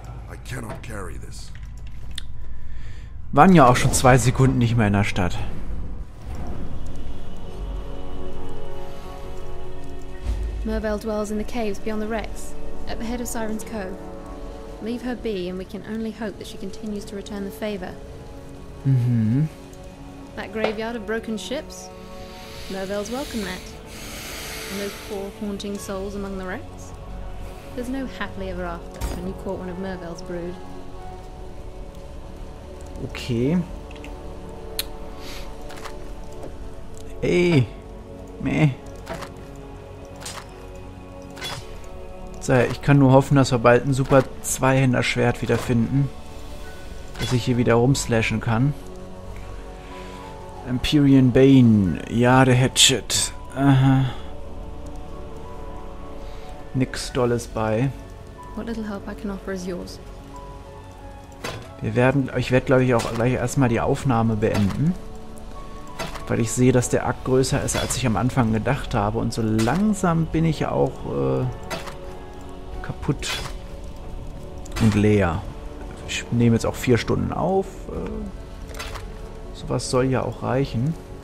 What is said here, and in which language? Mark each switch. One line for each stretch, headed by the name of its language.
English: I cannot carry this.
German: Waren ja auch schon 2 Sekunden nicht mehr in der Stadt.
English: Mervel dwells in the caves beyond the wrecks, at the head of Siren's Cove. Leave her be, and we can only hope that she continues to return the favor. Mm-hmm. That graveyard of broken ships? Mervel's welcome that. And those poor, haunting souls among the wrecks? There's no happily ever after when you caught one of Mervel's brood. Okay. Hey. Meh.
German: So, ich kann nur hoffen, dass wir bald ein super Zweihänderschwert wiederfinden. dass ich hier wieder rumslashen kann. Empyrean Bane, Jade Hatchet. Aha. Nix Dolles bei.
English: What little help I can offer is yours.
German: Ich werde, glaube ich, auch gleich erstmal die Aufnahme beenden. Weil ich sehe, dass der Akt größer ist, als ich am Anfang gedacht habe. Und so langsam bin ich auch kaputt und leer. Ich nehme jetzt auch 4 Stunden auf. Sowas soll ja auch reichen.